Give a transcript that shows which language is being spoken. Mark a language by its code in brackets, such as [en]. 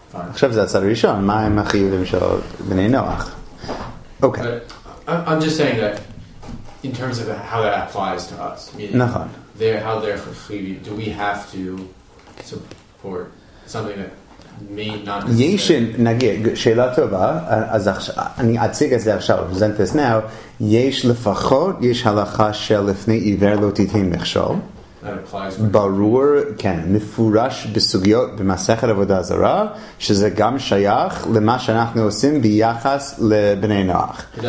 [he] עכשיו זה הצד הראשון, מה הם החיובים של בני נוח? [en] Okay. I'm just saying that in terms of how that applies to us. [he] נכון. [en] How they're chiyuvim, do we have to support something that may not [he] יש, נגיד, שאלה טובה, אז אני אציג את זה עכשיו, [en] present this now, [he] יש לפחות, יש הלכה של לפני עיוור לא תיתן מכשול. ברור, כן, מפורש בסוגיות במסכת עבודה זרה, שזה גם שייך למה שאנחנו עושים ביחס לבני נוח.